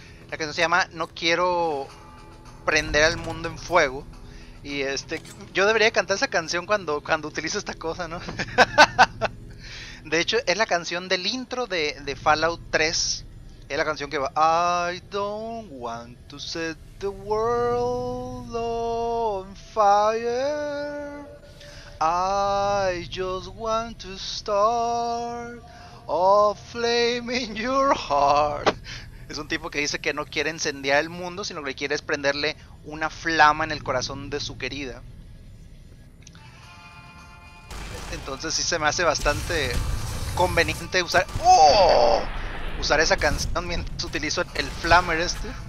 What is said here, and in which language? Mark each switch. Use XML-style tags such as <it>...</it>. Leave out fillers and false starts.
<es>La canción se llama No quiero prender al mundo en fuego. Y yo debería cantar esa canción cuando utilizo esta cosa, ¿no? De hecho, es la canción del intro de Fallout 3. Es la canción que va.</es> <en>I don't want to set the world on fire. I just want to start a flame in your heart.</en> <es>Es un tipo que dice que no quiere incendiar el mundo, sino que quiere es prenderle una flama en el corazón de su querida. Entonces sí se me hace bastante conveniente usar. ¡Oh! Usar esa canción mientras utilizo el flamer este.</es>